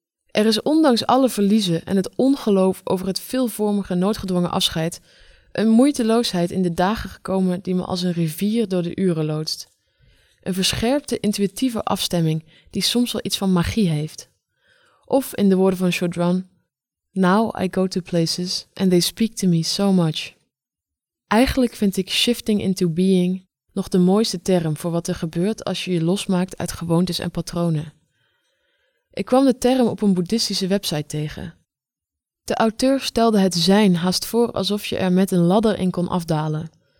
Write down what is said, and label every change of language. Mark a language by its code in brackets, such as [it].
[nl] Er is ondanks alle verliezen en het ongeloof over het veelvormige noodgedwongen afscheid een moeiteloosheid in de dagen gekomen die me als een rivier door de uren loodst. Een verscherpte intuïtieve afstemming die soms wel iets van magie heeft. Of in de woorden van Chaudron: [en] now I go to places and they speak to me so much. [nl] Eigenlijk vind ik [en] shifting into being [nl] nog de mooiste term voor wat er gebeurt als je je losmaakt uit gewoontes en patronen. Ik kwam de term op een boeddhistische website tegen. De auteur stelde het zijn haast voor alsof je er met een ladder in kon afdalen.